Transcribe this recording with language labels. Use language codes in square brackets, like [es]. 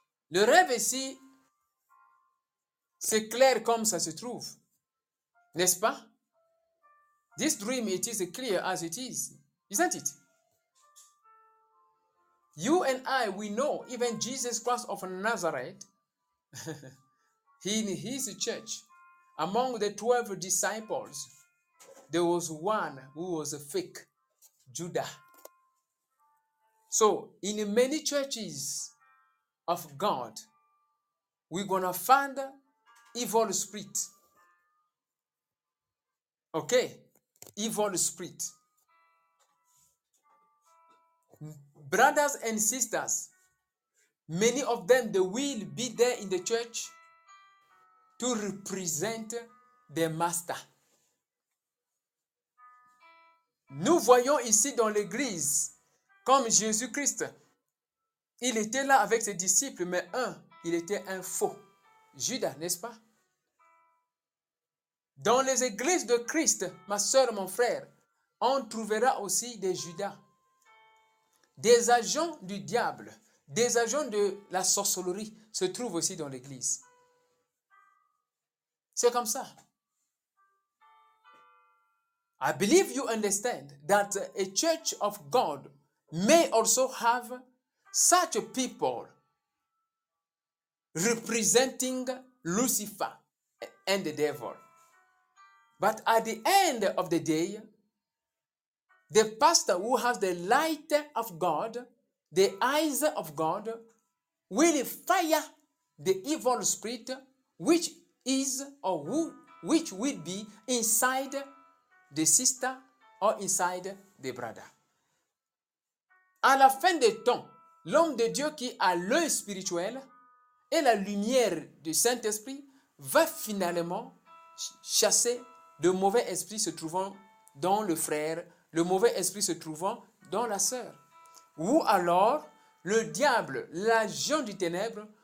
[fr] Le rêve ici, c'est clair comme ça se trouve. N'est-ce pas? [en] This dream, it is clear as it is. Isn't it? You and I, we know, even Jesus Christ of Nazareth, in his church, among the 12 disciples, there was one who was a fake, Judah. So, in many churches of God, we're going to find evil spirit. Okay? Evil spirit. Brothers and sisters, many of them, they will be there in the church to represent their master. [fr] Nous voyons ici dans l'église, comme Jésus-Christ, il était là avec ses disciples, mais il était un faux. Judas, n'est-ce pas? Dans les églises de Christ, ma soeur, mon frère, on trouvera aussi des Judas, des agents du diable, des agents de la sorcellerie se trouvent aussi dans l'église. C'est comme ça. [en] I believe you understand that a church of God may also have such people representing Lucifer and the devil. But at the end of the day, the pastor who has the light of God, the eyes of God, will fire the evil spirit which is or who, which will be inside the sister or inside the brother. [fr] À la fin des temps, l'homme de Dieu qui a l'œil spirituel et la lumière du Saint-Esprit va finalement chasser le mauvais esprit se trouvant dans le frère, le mauvais esprit se trouvant dans la sœur. Ou alors, le diable, l'agent du ténèbre,